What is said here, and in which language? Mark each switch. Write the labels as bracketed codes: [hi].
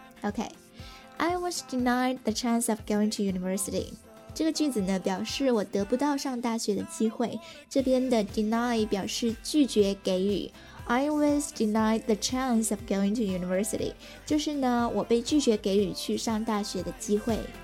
[en] Okay, I was denied the chance of going to university. [zh] 这个句子呢表示我得不到上大学的机会。这边的 deny 表示拒绝给予。 [en] I was denied the chance of going to university. [zh] 就是呢，我被拒绝给予去上大学的机会。